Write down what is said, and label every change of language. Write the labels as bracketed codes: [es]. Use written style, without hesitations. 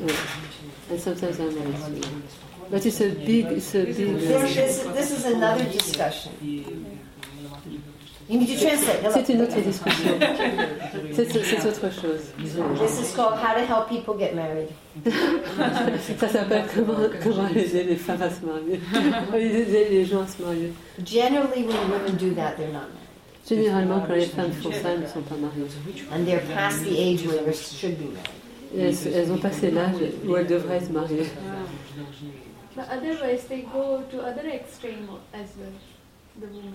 [en] Yeah. And sometimes they're married. But it's a big. This is another discussion. You need to translate. [fr] C'est une autre discussion. C'est autre chose. [en] This is called how to help people get married. [fr] Ça s'appelle comment aider les femmes à se marier. Aider les gens à se marier. [en] Generally, when women do that, they're not married. [fr] Généralement, quand les femmes font ça, elles ne sont pas mariées. [en] And they're past the age where they should be married. [fr] Elles ont passé l'âge où elles devraient se marier. [en] But otherwise, they go to other extreme as well.